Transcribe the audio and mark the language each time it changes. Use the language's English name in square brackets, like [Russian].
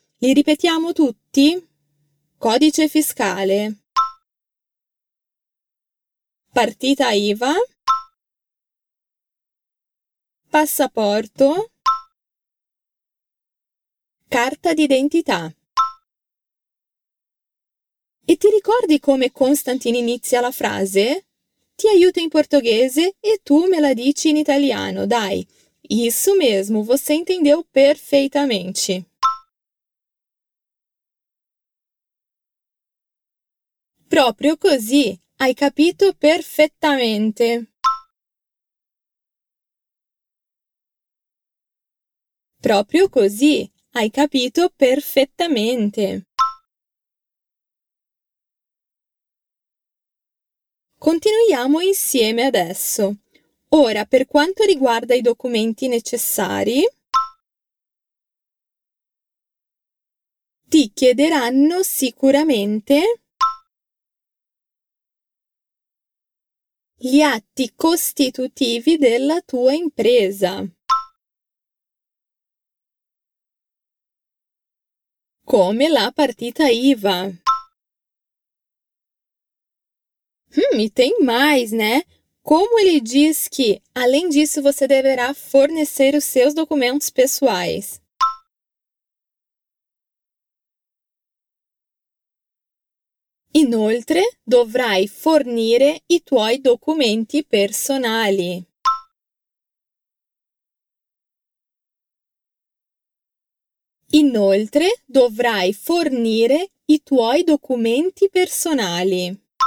[Italian] Li ripetiamo tutti? Codice fiscale, partita IVA, passaporto, carta d'identità. E ti ricordi come Constantine inizia la frase? Ti aiuto in portoghese e tu me la dici in italiano, dai. [Portuguese] Isso mesmo, você entendeu perfeitamente. [Italian] Proprio così, hai capito perfettamente. Proprio così, hai capito perfettamente. Continuiamo insieme adesso. Ora, per quanto riguarda i documenti necessari, ti chiederanno sicuramente gli atti costitutivi della tua impresa, come la partita IVA. [Portuguese] E tem mais, né? Como ele diz que, além disso, você deverá fornecer os seus documentos pessoais? [Italian] Inoltre, dovrai fornire i tuoi documenti personali. Inoltre, dovrai fornire i tuoi documenti personali.